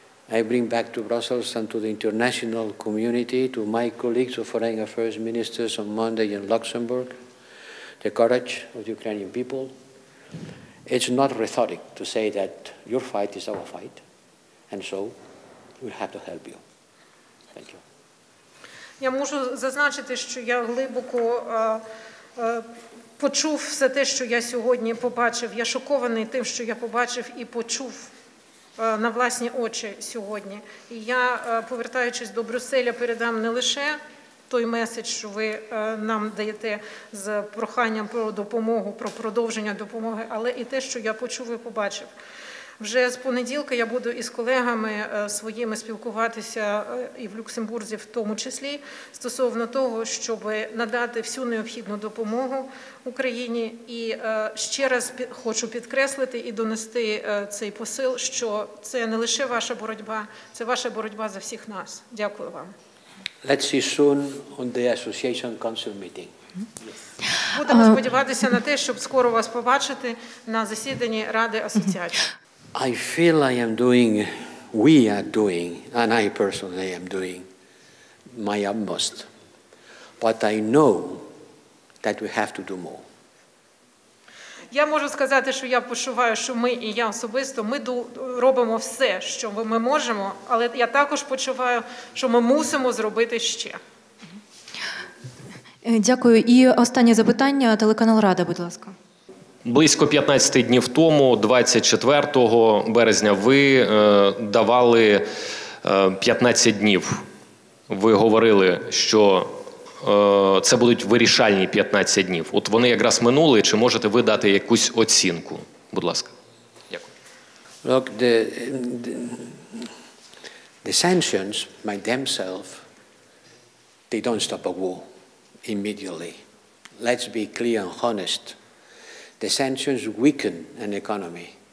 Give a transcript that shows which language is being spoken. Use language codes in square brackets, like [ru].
[en] I bring back to Brussels and to the international community, to my colleagues of foreign affairs ministers on Monday in Luxembourg, the courage of the Ukrainian people. It's not rhetoric to say that your fight is our fight, and so we'll have to help you. Thank you. [uk] Я можу зазначити, що я глибоко почув все те, що я сьогодні побачив. Я шокований тим, що я побачив і почув на власні очі сьогодні. І я, повертаючись до Брюсселя, передам не лише той меседж, що ви нам даєте з проханням про допомогу, про продовження допомоги, але і те, що я почув і побачив. Вже з понеділка я буду із колегами своїми спілкуватися і в Люксембурзі в тому числі стосовно того, щоб надати всю необхідну допомогу Україні. І ще раз хочу підкреслити і донести цей посил, що це не лише ваша боротьба, це ваша боротьба за всіх нас. Дякую вам. [en] Let's see soon on the Association Council meeting. Yes. [uk] Будемо сподіватися на те, щоб скоро вас побачити на засіданні Ради Асоціації. [en] I feel I am doing, we are doing, and I personally am doing my utmost. But I know that we have to do more. [uk] Я можу сказати, що я почуваю, що ми і я особисто, ми робимо все, що ми можемо, але я також почуваю, що ми мусимо зробити ще. Дякую. І останнє запитання, телеканал «Рада», будь ласка. Близько 15 днів тому, 24 березня, ви давали 15 днів. Ви говорили, що це будуть вирішальні 15 днів. От вони якраз минули, чи можете ви дати якусь оцінку? Будь ласка. Дякую. [en] Look, the sanctions by themselves, they don't stop a war immediately. Let's be clear and honest. The sanctions weaken an economy.